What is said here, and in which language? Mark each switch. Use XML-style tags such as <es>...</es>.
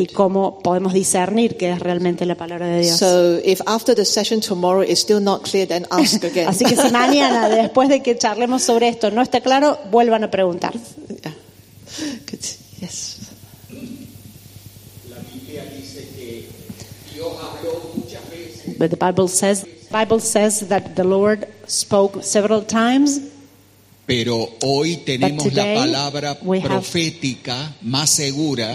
<es>¿Y cómo podemos discernir que es realmente la palabra de Dios?</es> <en>So if after the session tomorrow is still not clear, then ask again.</en> <es>Así que si mañana después de que charlemos sobre esto no está claro, vuelvan a preguntar.</es> <en>Yeah. Yes. But the Bible says that the Lord spoke several times.</en> <es>Pero hoy tenemos la palabra profética más segura,</es>